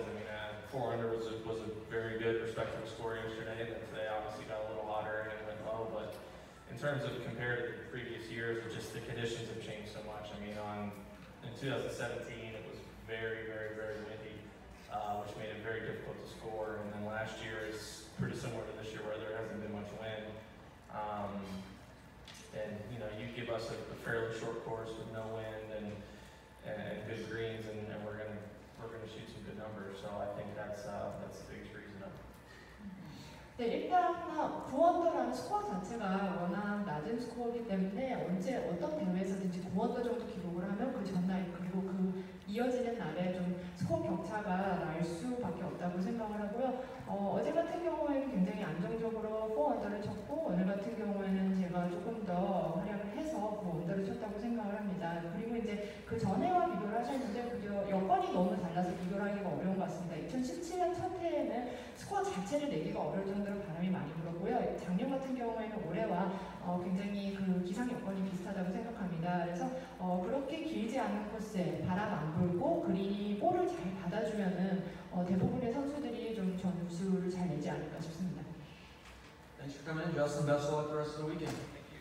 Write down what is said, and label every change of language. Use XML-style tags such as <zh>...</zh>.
<en>I mean, 4 under was a very good, respectable score yesterday, and then today obviously got a little hotter and it went low, but in terms of compared to the previous years, just the conditions have changed so much. I mean, in 2017, it was very, very, very windy, which made it very difficult to score, and then last year is pretty similar to this year where there hasn't been much wind. And, you know, you give us a fairly short course with no wind and good greens, and we're gonna shoot some good numbers, so I think that's the biggest reason.</en> <ko>네, 일단 9언더라는 스코어 자체가 워낙 낮은 스코어이기 때문에 언제 어떤 대회에서든지 9언더 정도 기록을 하면 그 전날 그리고 그 이어지는 날에 좀 스코어 격차가 날 수밖에 없다고 생각을 하고요. 어제 같은 경우에는 굉장히 안정적으로 4언더를 쳤고 오늘 같은 경우에는 제가 조금 더 활약을 해서 9언더를 쳤다고 생각을 합니다. 그리고 이제 그 전해와 비교를 하셨는데 그게 여건이 너무 달라서 비교를 하기가 어려운 것 같습니다. 2017년 첫 해에는 스코어 자체를 내기가 어려울 정도로 바람이 많이 불었고요. 작년 같은 경우에는 올해와 굉장히 그 기상 여건이 비슷하다고 생각합니다. 그래서 그렇게 길지 않은 코스에 바람 안 불고 그린이 볼을 잘 받아주면은 대부분의 선수들이 좀 점수를 잘 내지 않을까 싶습니다.</ko> <en>Thanks for coming in, Justin. Best of luck the rest of the weekend.</en>